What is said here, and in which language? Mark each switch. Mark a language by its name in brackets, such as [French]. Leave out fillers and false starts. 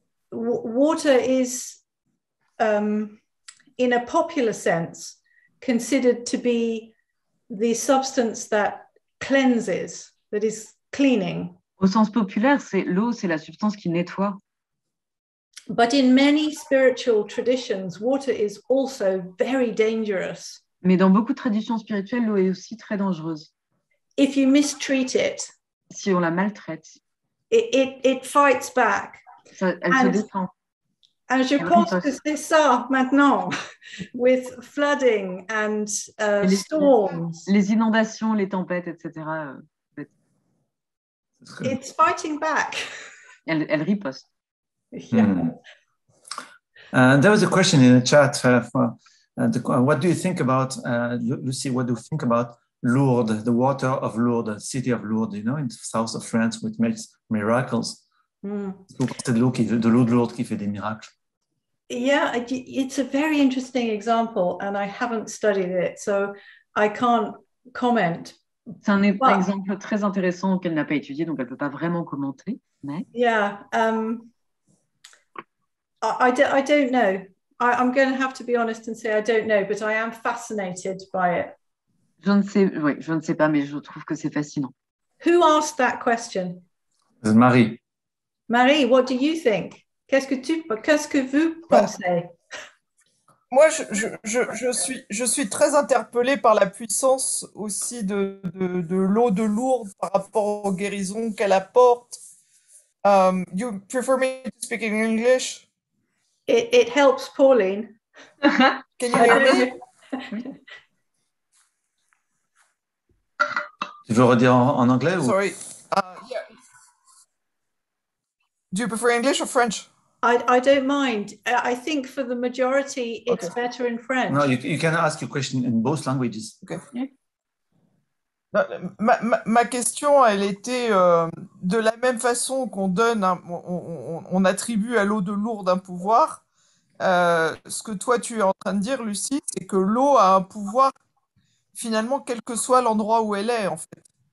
[English] Water is, in a popular sense, considered to be the substance that cleanses, that is cleaning. [French] Au sens populaire, c'est l'eau, c'est la substance qui nettoie. [English] But in many spiritual traditions, water is also very dangerous. [French] Mais dans beaucoup de traditions spirituelles, l'eau est aussi très dangereuse. [English] If you mistreat it, [French] si on la maltraite, [English] it fights back. [French] Elle se défend. [English] And [French] je pense que c'est ça maintenant, [English] with flooding and storms. [French] Les inondations, les tempêtes, etc. [English] It's fighting back. [French] Elle riposte. [English] Yeah. There was a question in the chat. What do you think about, Luci, what do you think about Lourdes, the water of Lourdes, city of Lourdes, you know, in the south of France, which makes miracles. [French] De l'eau de Lourdes qui fait des miracles. [English] Yeah, it's a very interesting example, and I haven't studied it, so I can't comment. [French] C'est un exemple très intéressant qu'elle n'a pas étudié, donc elle ne peut pas vraiment commenter. Mais... [English] I don't know. I'm going to have to be honest and say I don't know, but I am fascinated by it. [French] Je ne sais pas, mais je trouve que c'est fascinant. [English] Who asked that question? [French] C'est Marie. [English] Marie, what do you think? [French] Qu'est-ce que vous pensez? Moi, je suis très interpellée par la puissance aussi de l'eau de Lourdes par rapport aux guérisons qu'elle apporte. [English] You prefer me to speak in English? It helps, Pauline. Can you hear me? [French] Tu veux redire en anglais? [English] Sorry. [French] Ou... [English] Do you prefer English or French? I don't mind. I think for the majority, it's okay. Better in French. No, you can ask your question in both languages. Okay. Yeah. [French] Ma question, elle était de la même façon qu'on donne, on attribue à l'eau de Lourdes un pouvoir. Ce que toi, tu es en train de dire, Luci, c'est que l'eau a un pouvoir, finalement, quel que soit l'endroit où elle est, en fait.